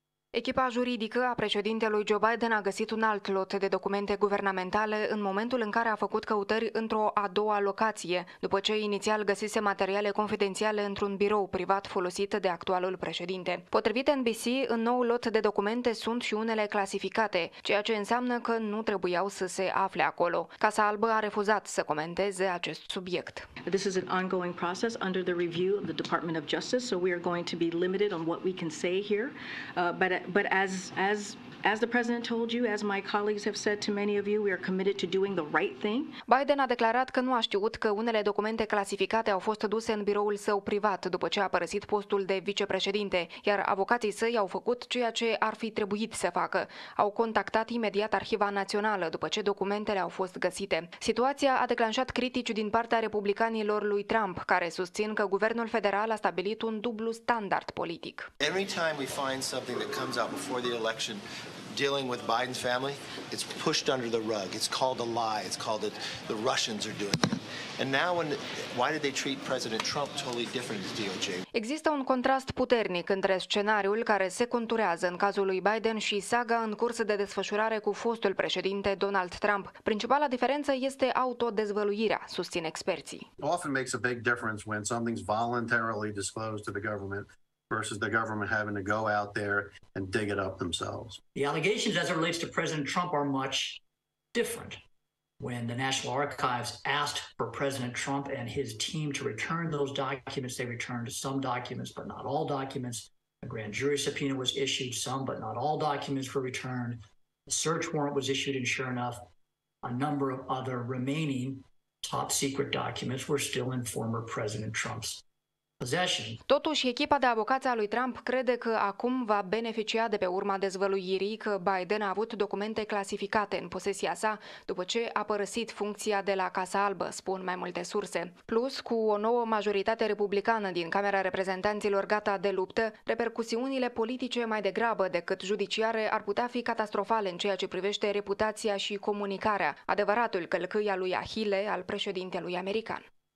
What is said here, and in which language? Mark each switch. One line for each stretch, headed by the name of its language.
Romanian: Echipa juridică a președintelui Joe Biden a găsit un alt lot de documente guvernamentale în momentul în care a făcut căutări într-o a doua locație, după ce inițial găsise materiale confidențiale într-un birou privat folosit de actualul președinte. Potrivit NBC, în nou lot de documente sunt și unele clasificate, ceea ce înseamnă că nu trebuiau să se afle acolo. Casa Albă a refuzat să comenteze acest subiect.
English: This is an ongoing process under the review of the Department of Justice, so we are going to be limited on what we can say here, but as the president told you, as my colleagues have said to many of you, we are committed to doing the right thing.
Romanian: Biden a declarat că nu a știut că unele documente clasificate au fost duse în biroul său privat după ce a părăsit postul de vicepreședinte, iar avocații săi au făcut ceea ce ar fi trebuit să facă. Au contactat imediat Arhiva Națională după ce documentele au fost găsite. Situația a declanșat critici din partea republicanilor lui Trump, care susțin că guvernul federal a stabilit un dublu standard politic.
English: Every time we find something that comes out before the election dealing with Biden's family, it's pushed under the rug. It's called a lie. It's called that the Russians are doing it. And now why did they treat President Trump totally different than DOJ?
Romanian: Există un contrast puternic între scenariul care se conturează în cazul lui Biden și saga în curs de desfășurare cu fostul președinte Donald Trump. Principala diferență este autodezvăluirea, susțin experții.
English: Often makes a big difference when something's voluntarily disclosed to the government versus the government having to go out there and dig it up themselves. The allegations as it relates to President Trump are much different. When the National Archives asked for President Trump and his team to return those documents, they returned some documents, but not all documents. A grand jury subpoena was issued, some but not all documents were returned. A search warrant was issued, and sure enough, a number of other remaining top secret documents were still in former President Trump's.
Romanian: Totuși, echipa de avocați a lui Trump crede că acum va beneficia de pe urma dezvăluirii că Biden a avut documente clasificate în posesia sa după ce a părăsit funcția de la Casa Albă, spun mai multe surse. Plus, cu o nouă majoritate republicană din Camera Reprezentanților gata de luptă, repercusiunile politice mai degrabă decât judiciare ar putea fi catastrofale în ceea ce privește reputația și comunicarea, adevăratul călcâi al lui Ahile, al președintelui american.